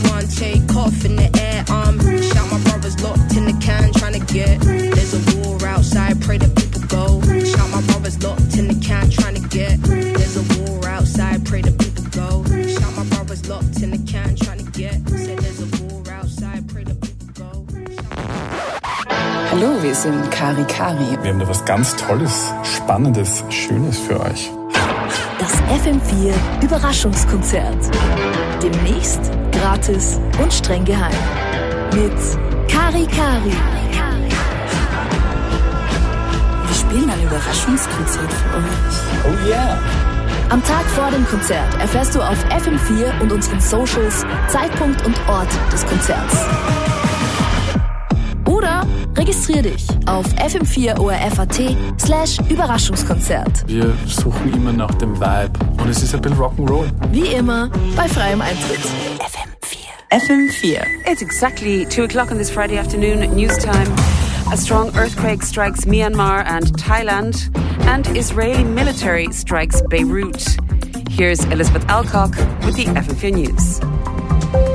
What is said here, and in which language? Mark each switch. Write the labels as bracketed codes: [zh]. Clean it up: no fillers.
[en] Take off in the air, I'm free. Shout my brother's locked in the can trying to get free. There's a war outside, pray that people go free. Shout my brother's locked in the can trying to get free. There's a war outside, pray that people go free. Shout my brother's locked in the can trying to get free. Said there's a war outside, pray that people go free. [de] Hallo, wir sind Kari Kari. Wir haben da was ganz Tolles, Spannendes, Schönes für euch. Das FM4 Überraschungskonzert. Demnächst gratis und streng geheim. Mit Kari Kari. Wir spielen ein Überraschungskonzert für euch. [en] Oh yeah! [de] Am Tag vor dem Konzert erfährst du auf FM4 und unseren Socials Zeitpunkt und Ort des Konzerts. Oder registrier dich auf fm4orf.at/Überraschungskonzert. Wir suchen immer nach dem Vibe und es ist ein bisschen Rock'n'Roll. Wie immer bei freiem Eintritt. FM4. [en] It's exactly 2 o'clock on this Friday afternoon, news time. A strong earthquake strikes Myanmar and Thailand, and Israeli military strikes Beirut. Here's Elizabeth Alcock with the FM4 news.